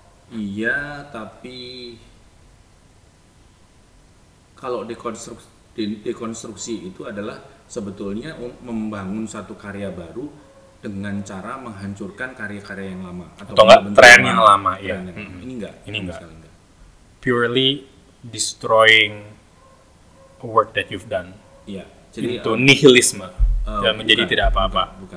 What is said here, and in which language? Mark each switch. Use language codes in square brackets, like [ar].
[id] Iya, tapi kalau dekonstruksi itu adalah sebetulnya membangun satu karya baru dengan cara menghancurkan karya-karya yang lama atau enggak tren yang lama. Ya. Ini enggak. [en] Purely destroying a work that you've done. [id] Iya. Jadi itu nihilisme dan menjadi tidak apa-apa.